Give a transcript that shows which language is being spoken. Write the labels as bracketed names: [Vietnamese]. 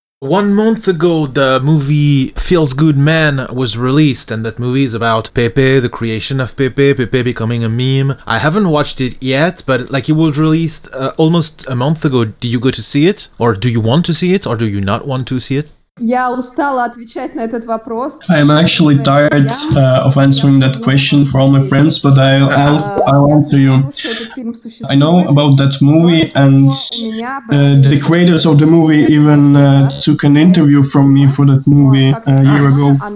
[English] 1 month ago, the movie Feels Good Man was released, and that movie is about Pepe, the creation of Pepe becoming a meme. I haven't watched it yet, but like it was released almost a month ago. Do you go to see it, or do you want to see it, or do you not want to see it? [Russian] Я устала отвечать на этот вопрос. [English] I am actually tired of answering that question for all my friends, but I'll answer you. I know about that movie, and the creators of the movie even took an interview from me for that movie a year ago.